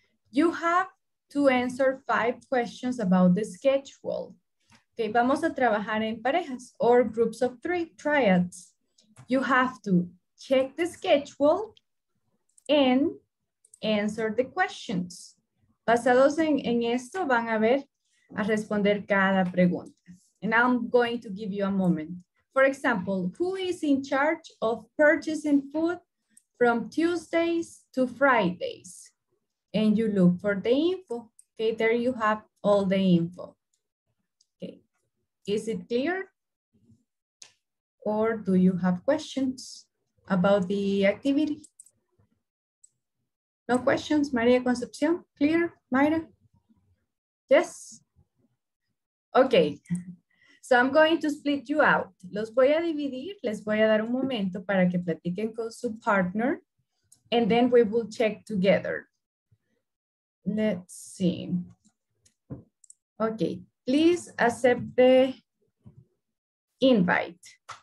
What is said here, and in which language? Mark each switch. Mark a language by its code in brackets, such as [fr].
[en] You have to answer 5 questions about the schedule. [es] Okay, vamos a trabajar en parejas [en] or groups of 3 triads. You have to check the schedule and answer the questions. [es] Basados en esto, van a ver a responder cada pregunta. [en] And I'm going to give you a moment. For example, who is in charge of purchasing food from Tuesdays to Fridays, and you look for the info. Okay, there you have all the info. Okay, is it clear? Or do you have questions about the activity? No questions, Maria Concepcion? Clear, Mayra? Yes? Okay, so I'm going to split you out. [es] Los voy a dividir, les voy a dar un momento para que platiquen con su partner. [en] And then we will check together. Let's see. Okay, please accept the invite.